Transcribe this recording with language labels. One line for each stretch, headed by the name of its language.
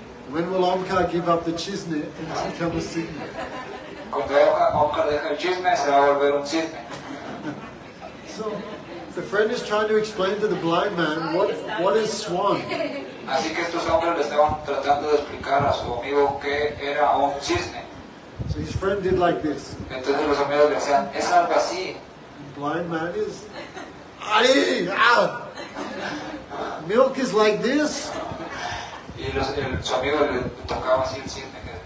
English: When will Omkar give up the cisne and become a cisne?
Spanish: Cuando Omkar deja el chisme, se va a volver un cisne.
English: So, the friend is trying to explain to the blind man what is swan.
Spanish: Así que estos hombres le estaban tratando de explicar a su amigo qué era un cisne.
English: So his friend did like this.
Spanish: Entonces los amigos le decían, es algo así.
English: And blind man is, ay, ah, milk is like this.
Spanish: Y su amigo le tocaba así el cisne.